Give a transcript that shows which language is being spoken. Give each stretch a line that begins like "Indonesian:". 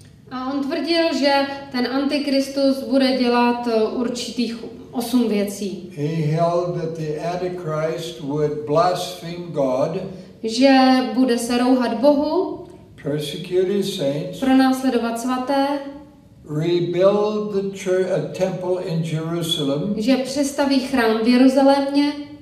Czech: A on tvrdil, že ten Antikristus bude dělat určitých 8 věcí.
English: He held that the Antichrist would blaspheme God.
Czech: Že bude se rouhat Bohu.
English: Persecute his saints.
Czech: Pronásledovat svaté.
English: Rebuild the church, a temple in Jerusalem.
Czech: Že přestaví chrám v Jeruzalémě.